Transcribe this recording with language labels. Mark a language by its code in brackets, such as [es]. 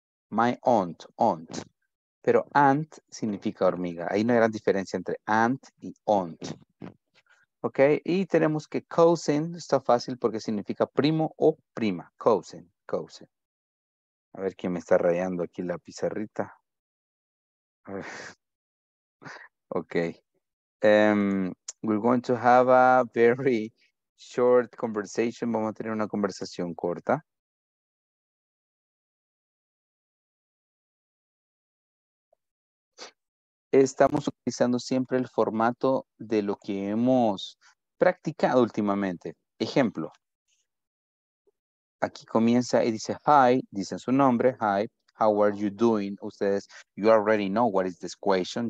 [en] My aunt, aunt. [es] Pero aunt significa hormiga. Hay una gran diferencia entre aunt y aunt. Ok, y tenemos que cousin está fácil porque significa primo o prima. Cousin, cousin. A ver quién me está rayando aquí la pizarrita. Ok. [en] We're going to have a very short conversation. [es] Vamos a tener una conversación corta. Estamos utilizando siempre el formato de lo que hemos practicado últimamente. Ejemplo. Aquí comienza y dice, hi, dicen su nombre, hi. [en] How are you doing? Ustedes, you already know what is this question.